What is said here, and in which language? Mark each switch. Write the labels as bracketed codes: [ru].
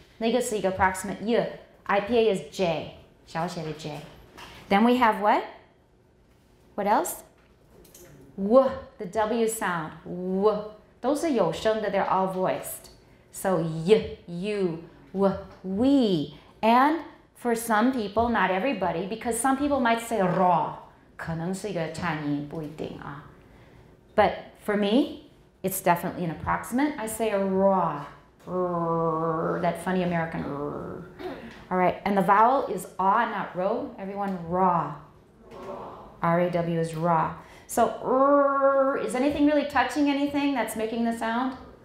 [zh] 那个是一个 [en] approximant. Y. IPA is J. [zh] 小写的 [en] J. Then we have what? What else? W. The W sound. W. Those are [zh] 有声的, [en] they're all voiced. So, y, you, w, we. And for some people, not everybody, because some people might say raw. [zh] 可能是一个颤音,不一定啊。 [en] But for me, it's definitely an approximant. I say a raw, rrr, that funny American rrr. All right, and the vowel is aw, not ro. Everyone, raw. R-A-W is raw. So, is anything really touching anything that's making the sound?